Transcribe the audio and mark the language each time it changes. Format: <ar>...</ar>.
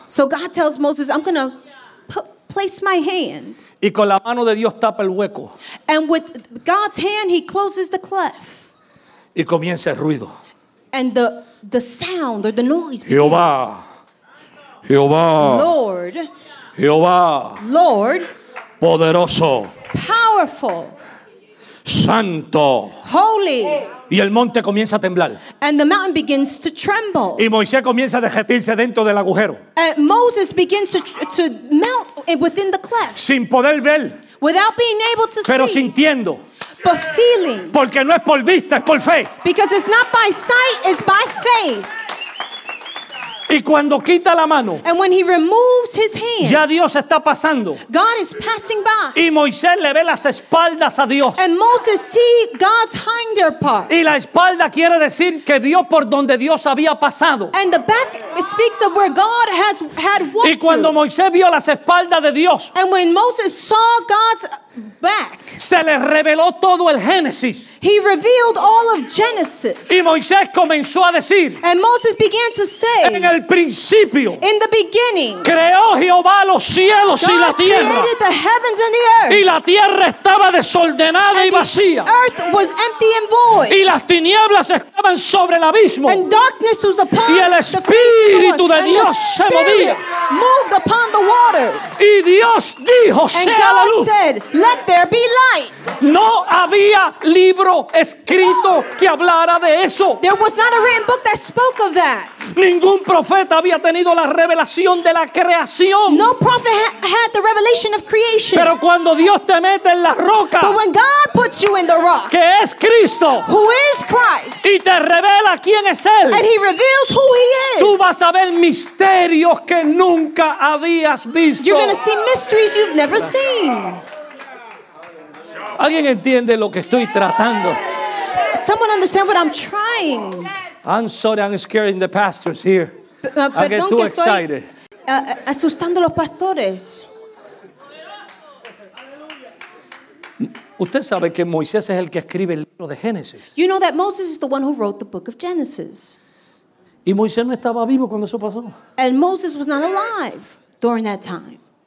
<en>So God tells Moses, I'm going to place my hand.</en> <es>Y con la mano de Dios tapa el hueco.</es> <en>And with God's hand, he closes the cleft.</en> <es>Y comienza el ruido.</es> <en>And the sound or the noise begins.</en> <es>Jehová. Jehová.</es> <en>Lord.</en> <es>Jehová.</es> <en>Lord.</en> <es>Poderoso.</es> <en>Powerful.</en> <es>Santo.</es> <en>Holy.</en> <es>Y el monte comienza a temblar.</es> <en>And the mountain begins to tremble.</en> <es>Y Moisés comienza a derretirse dentro del agujero.</es> <en>And Moses begins to melt within the cleft.</en> <es>Sin poder ver.</es> <en>Without being able to</en> <es>pero Pero sintiendo.</es> <en>But feeling.</en> <es>Porque no es por vista, es por fe.</es> <en>Because it's not by sight, it's by faith.</en> <es>Y cuando quita la mano,</es> <en>and when he removes his hand,</en> <es>ya Dios está pasando.</es> <en>God is passing by.</en> <es>Y Moisés le ve las espaldas a Dios.</es> <en>And Moses sees God's hinder part.</en> <es>Y la espalda quiere decir que vio por donde Dios había pasado.</es> <en>And the back speaks of where God has had walked.</en> <es>Y cuando</es> <en>through.</en> <es>Moisés vio las espaldas de Dios,</es> <en>and when Moses saw God's back,</en> <es>se le reveló todo el Génesis.</es> <en>He revealed all of Genesis.</en> <es>Y Moisés comenzó a decir.</es> <en>And Moses began to say.</en> <es>En el principio.</es> <en>In the beginning.</en> <es>Creó Jehová los cielos</es> <en>God</en> <es>y la tierra.</es> <en>God created the heavens and the earth.</en> <es>Y la tierra estaba desordenada</es> <en>and</en> <es>y vacía.</es> <en>The earth was empty and void.</en> <es>Y las tinieblas estaban sobre el abismo.</es> <en>And darkness was upon</en> <es>y el Espíritu Lord. De Dios</es> <en>and the Spirit moved upon the waters.</en> <es>Y Dios dijo, sea la luz.</es> <en>And God said, let there be light.</en> <es>No había libro escrito que hablara de eso.</es> <en>There was not a written book that spoke of that.</en> <es>Ningún profeta había tenido la revelación de la creación.</es> <en>No prophet had the revelation of creation.</en> <es>Pero cuando Dios te mete en la roca,</es> <en>but when God puts you in the rock,</en> <es>que es Cristo,</es> <en>who is Christ,</en> <es>y te revela quién es Él,</es> <en>and he reveals who he is,</en> <es>tú vas a ver misterios que nunca habías visto.</es> <en>You're going to see mysteries you've never seen.</en> <es>¿Alguien entiende lo que estoy tratando?</es> <en>Someone understand what I'm trying. I'm sorry I'm scaring the pastors here. I get too excited.</en> <es>Asustando a los pastores. Usted sabe que Moisés es el que escribe el libro de Génesis.</es> <en>You know that Moses is the one who wrote the book of Genesis.</en> <es>Y Moisés no estaba vivo cuando eso pasó.</es> <en>And Moses was not alive during that time.</en>